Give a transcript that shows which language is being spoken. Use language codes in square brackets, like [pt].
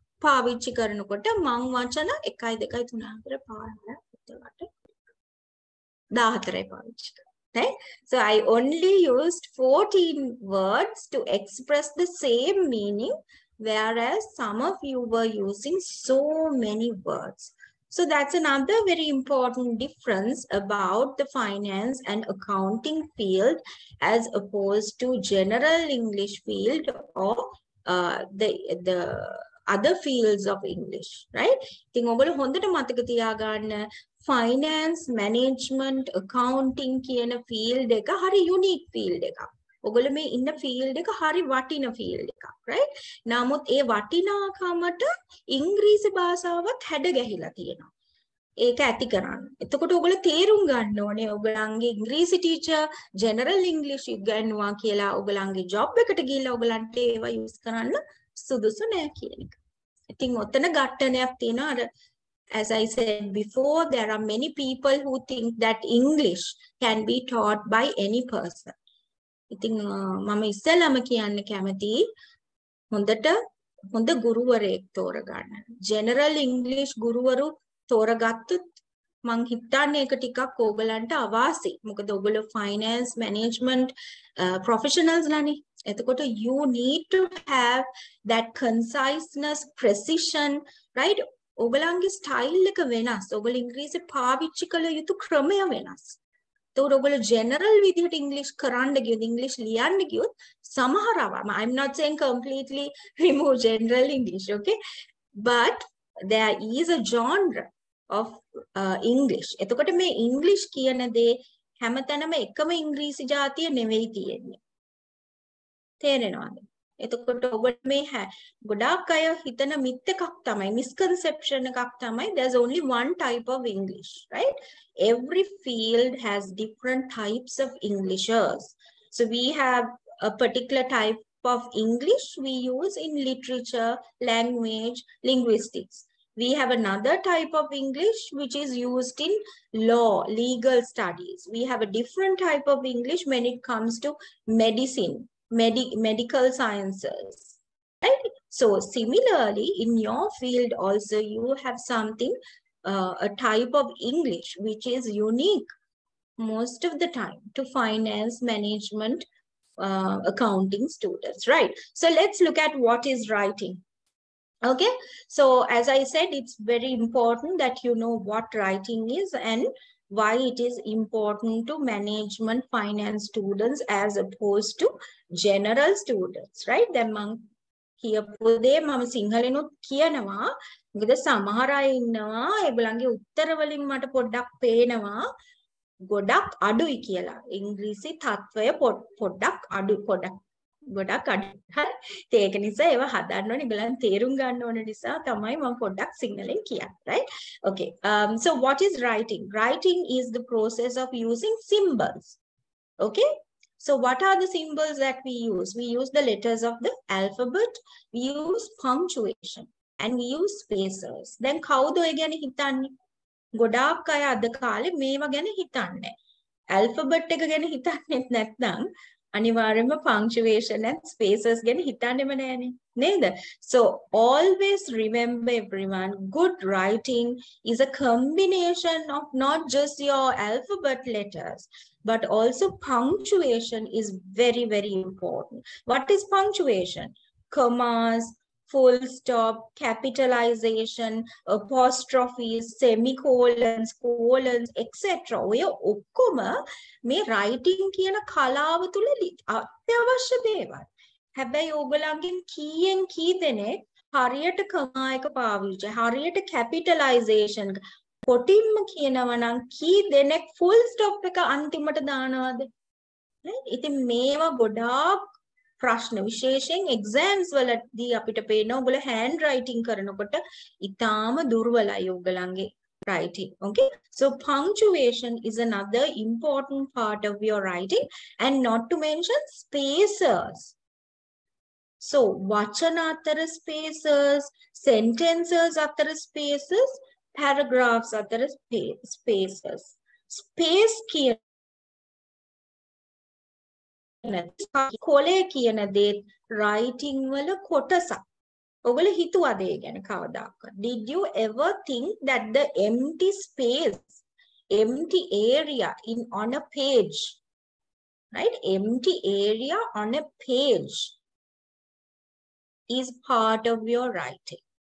[si] පාවිච්චි කරනකොට මං වචන 1 2 3 4 5 6 14යි පාවිච්චි කරන්නේ. [en] So I only used 14 words to express the same meaning, whereas some of you were using so many words. So that's another very important difference about the finance and accounting field as opposed to general English field or the other fields of English, right? [si] ඉතින් ඔයගොල්ලෝ හොඳට මතක තියාගන්න finance, management, accounting කියන field එක හරි unique field එකක්. ඔයගොල්ලෝ මේ ඉන්න field එක හරි වටින field එකක්, right? නමුත් ඒ වටිනාකමට ඉංග්‍රීසි භාෂාවත් හැඩ ගැහිලා තියෙනවා. ඒක ඇති කරන්න. එතකොට ඔයගොල්ලෝ තේරුම් ගන්න ඕනේ ඔයගොල්ලන්ගේ ඉංග්‍රීසි ටීචර් ජෙනරල් ඉංග්ලිෂ් ඉගෙනුවා කියලා ඔයගොල්ලන්ගේ ජොබ් එකට ගිහිල්ලා ඔයගලන්ට ඒවා යූස් කරන්න සුදුසු නෑ කියන එක. ඉතින් ඔතන ඝට්ටනයක් තියෙනවා අර [en] as I said before there are many people who think that English can be taught by any person. [si] ඉතින් මම ඉස්සෙල්ලාම කියන්න කැමති හොඳට හොඳ ගුරුවරයෙක් තෝරගන්න. ජෙනරල් ඉංග්ලිෂ් ගුරුවරු තෝරගත්තොත් මං හිතන්නේ ඒක ටිකක් ඕගලන්ට අවාසි. මොකද ඔයගොල්ලෝ ෆයිනෑන්ස් මැනේජ්මන්ට් ප්‍රොෆෙෂනල්ස් ලානේ. [en] එතකොට you need to have that conciseness, precision, right? [si] ඔයගලන්ගේ style එක වෙනස්. ඔයගොල්ලෝ ඉංග්‍රීසි පාවිච්චි කළ යුතු ක්‍රමය වෙනස්. එතකොට ඔයගොල්ලෝ ජෙනරල් විදිහට ඉංග්‍රීසි කරන්න ගියොත් ඉංග්‍රීසි ලියන්න ගියොත් සමහර අවම [en] I'm not saying completely remove general English, okay? But there is a genre of English. [si] එතකොට මේ ඉංග්‍රීසි කියන දේ හැමතැනම එකම ඉංග්‍රීසි ජාතිය නෙවෙයි තියෙන්නේ. තේරෙනවද? එතකොට ඔබට මේ ගොඩාක් අය හිතන මිත් එකක් තමයි, මිස්කන්සෙප්ෂන් එකක් තමයි [en] there's only one type of English, right? Every field has different types of Englishers. So we have a particular type of English we use in literature, language, linguistics. We have another type of English which is used in law, legal studies. We have a different type of English when it comes to medicine, medical sciences, right? So similarly, in your field also, you have something, a type of English which is unique most of the time to finance, management, accounting students, right? So let's look at what is writing. Okay, so as I said, it's very important that you know what writing is and why it is important to management finance students as opposed to general students, right? [si] Then මං කියපොදේ මම සිංහලෙනුත් කියනවා. මොකද සමහර අය ඉන්නවා ඒගොල්ලන්ගේ උත්තර වලින් මට පොඩ්ඩක් පේනවා ගොඩක් අඩුයි කියලා. ඉංග්‍රීසි තත්වය පොඩ්ඩක් අඩු පොඩ්ඩක් ගොඩක් අඩු. හරි. ඒක නිසා ඒව හදන්න ඕනේ. ඒගොල්ලන් තේරුම් ගන්න ඕන නිසා තමයි මම පොඩ්ඩක් සිංහලෙන් කියන්නේ, right? [en] Okay. So what is writing? Writing is the process of using symbols. Okay? So what are the symbols that we use? We use the letters of the alphabet, we use punctuation, and we use spacers. [si] Then කවුද ඒ ගැන හිතන්නේ? ගොඩාක් අය අද කාලේ මේවා ගැන හිතන්නේ නැහැ. Alphabet එක ගැන හිතන්නේ නැත්නම් අනිවාර්යයෙන්ම punctuation and spacers ගැන හිතන්නෙම නෑනේ නේද? [en] So always remember everyone, good writing is a combination of not just your alphabet letters but also punctuation is very very important. What is punctuation? Commas, full stop, capitalization, apostrophes, semicolons, colons, etc. [si] ඔය ඔක්කොම මේ writing කියන කලාව තුළ අත්‍යවශ්‍ය දේවල්. හැබැයි ඔයගලගෙන් කීයෙන් කී දෙනෙක් හරියට කමා එක පාවිච්චි, හරියට capitalization කොටින්ම කියනවා නම් කී දෙනෙක් full stop එක අන්තිමට දානවද? ඉතින් මේවා ගොඩාක් ප්‍රශ්න විශේෂයෙන් exams වලදී අපිට පේනවා ඔයගොල්ලෝ hand writing කරනකොට ඉතාම දුර්වලයි ඔයගලන්ගේ writing. [en] Okay, so punctuation is another important part of your writing, and not to mention spacers. [si] So වචන අතර spacers, sentences අතර spacers, paragraphs අතර spacers. Space කියන කොලේ කියන දේ රයිටිං වල කොටසක්. ඔගොල්ල හිතුවද ඒ ගැන කවදාකවත්? [en] Did you ever think that the empty space, empty area in on a page, right? Empty area on a page is part of your writing.